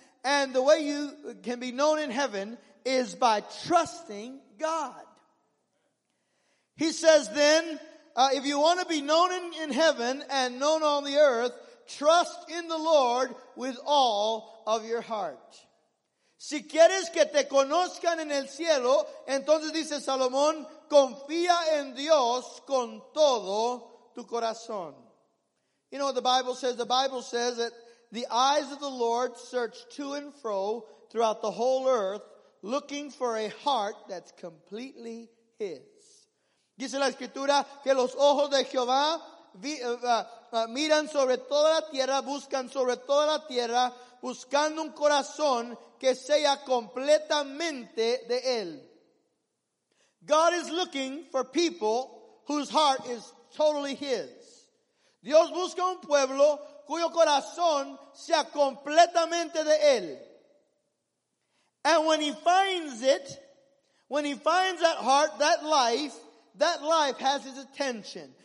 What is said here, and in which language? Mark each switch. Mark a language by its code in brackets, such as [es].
[en] And the way you can be known in heaven is by trusting God. He says then, if you want to be known in heaven and known on the earth, trust in the Lord with all of your heart. [es] Si quieres que te conozcan en el cielo, entonces dice Salomón, confía en Dios con todo tu corazón. [en] You know what the Bible says? The Bible says that the eyes of the Lord search to and fro throughout the whole earth, looking for a heart that's completely His. [es] Dice la Escritura que los ojos de Jehová miran sobre toda la tierra, buscan sobre toda la tierra, buscando un corazón que sea completamente de Él. [en] God is looking for people whose heart is totally His. [es] Dios busca un pueblo cuyo corazón sea completamente de Él. [en] And when He finds it, when He finds that heart, that life has His attention.